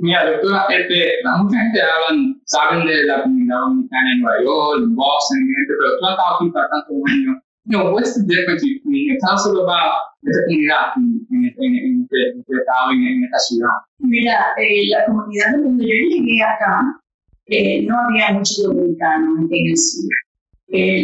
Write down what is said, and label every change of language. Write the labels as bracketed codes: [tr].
[es] Yeah, doctora, la mucha gente hablan, saben de la comunidad dominicana en Nueva York, en Boston, pero tú has estado aquí para tanto año. [en] You know, what's the difference between, tell us a little about the community in [es] esta ciudad. Mira, la comunidad donde yo llegué acá, no había muchos dominicanos en Tennessee.